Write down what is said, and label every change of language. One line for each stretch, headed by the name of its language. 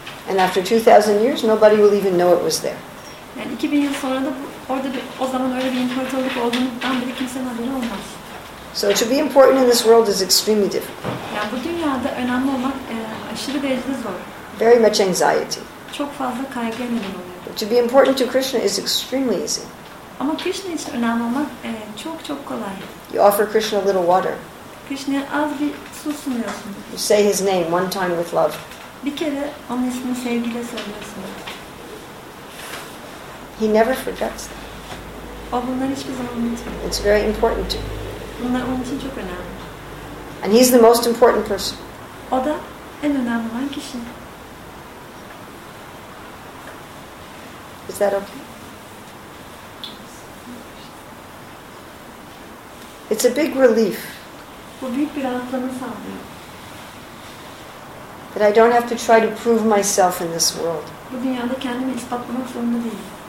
English: And after 2,000 years, nobody will even know it was there.
Turkish: Yani 2000 yıl sonra da orada bir, o zaman öyle bir imparatorluk olduğundan bile kimsenin haberi olmaz.
English: So to be important in this world is extremely difficult.
Turkish: Yani bu dünyada önemli olmak aşırı derecede zor.
English: Very much anxiety.
Turkish: Çok fazla kaygı neden oluyor.
English: But to be important to Krishna is extremely easy.
Turkish: Ama Krishna için önemli olmak çok çok kolay.
English: You offer Krishna a little water.
Turkish: Krishna'ya az bir su sunuyorsun.
English: You say his name one time with love.
Turkish: Bir kere onun ismini sevgiyle söylüyorsun.
English: He never forgets them.
Turkish: O bunları hiçbir zaman unutmuyor.
English: It's very important to him.
Turkish: Bunlar onun için çok önemli.
English: And he's the most important person.
Turkish: O da en önemli olan kişi.
English: Is that okay? It's a big relief.
Turkish: Bu büyük bir rahatlama sağlıyor.
English: That I don't have to try to prove myself in this world.
Turkish: Bu dünyada kendimi ispatlamak zorunda değilim.